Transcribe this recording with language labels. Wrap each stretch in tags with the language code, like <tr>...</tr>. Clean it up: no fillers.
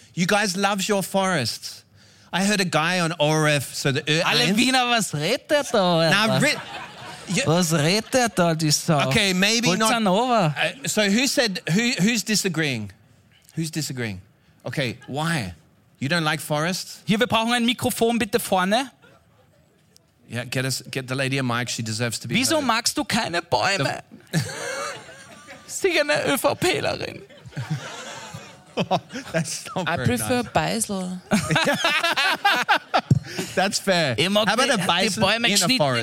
<en>You guys love your forests. I heard a guy on ORF, so the Ö1.</en> <de>Alle Wiener, was redet der da? Was redet der da, die Sau?</de> <en>Okay, maybe Bolzanova. Not. Bolzanova. So who said, who's disagreeing? Who's disagreeing? Okay, why? You don't like forests?</en> <de>Hier, wir brauchen ein Mikrofon bitte vorne.</de> <en>Yeah, get the lady a mic, she deserves to be</en> <de>Wieso</de> <en>heard.</en> <de>Magst du keine Bäume? Sie eine ÖVPlerin.</de> <en>Oh, that's not I prefer nice. Beisel. That's fair. How about a Beisel in a forest?</en>